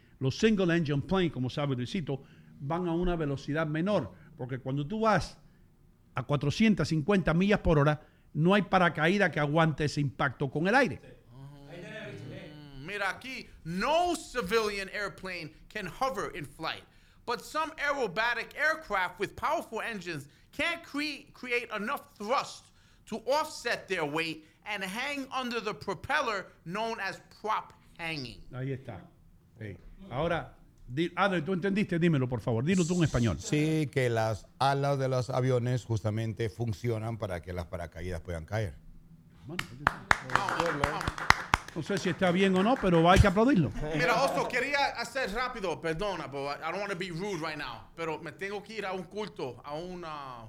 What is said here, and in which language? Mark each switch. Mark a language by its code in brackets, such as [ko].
[es] Los [en] single engine planes, [es] como sabe Luisito, van a una velocidad menor, porque cuando tú vas a 450 millas por hora, no hay paracaídas que aguante ese impacto con el aire. [en] Mira aquí, no civilian airplane can hover in flight, but some aerobatic aircraft with powerful engines can't create enough thrust to offset their weight and hang under the propeller known as prop hanging. [es] Ahí está. Hey. Ahora, tú entendiste, dímelo por favor, dilo tú en español. Sí, que las alas de los aviones justamente funcionan para que las paracaídas puedan caer. No sé si está bien o no, pero hay que aplaudirlo. Mira, Oso, quería hacer rápido, perdona, [en] but I don't want to be rude right now, [es] pero me tengo que ir a un culto, a una